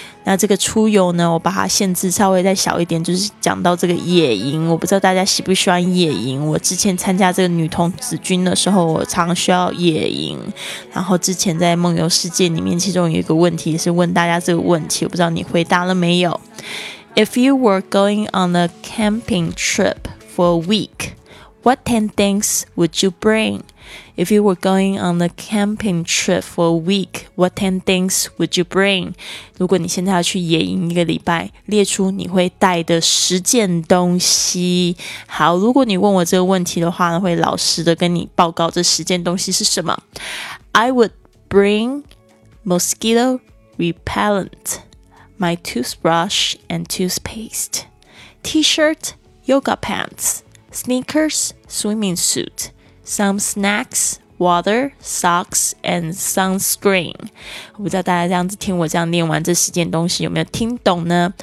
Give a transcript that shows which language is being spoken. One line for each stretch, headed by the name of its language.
Chinese: 那这个出游呢，我把它限制稍微再小一点，就是讲到这个野营。我不知道大家喜不喜欢野营，我之前参加这个女童子军的时候，我常需要野营。然后之前在梦游世界里面，其中有一个问题也是问大家这个问题，我不知道你回答了没有。
English: If you were going on a camping trip for a week, what 10 things would you bring? If you were going on a camping trip for a week, what 10 things would you bring?
Chinese: 如果你现在要去野营一个礼拜，列出你会带的十件东西。好，如果你问我这个问题的话呢，会老实的跟你报告这十件东西是什么。
English: I would bring mosquito repellent, my toothbrush and toothpaste, T-shirt, yoga pants, sneakers, swimming suit,Some snacks, water, socks, and sunscreen.
Chinese: 我不知道大家这样子听我这样念完这十件东西有没有听懂呢？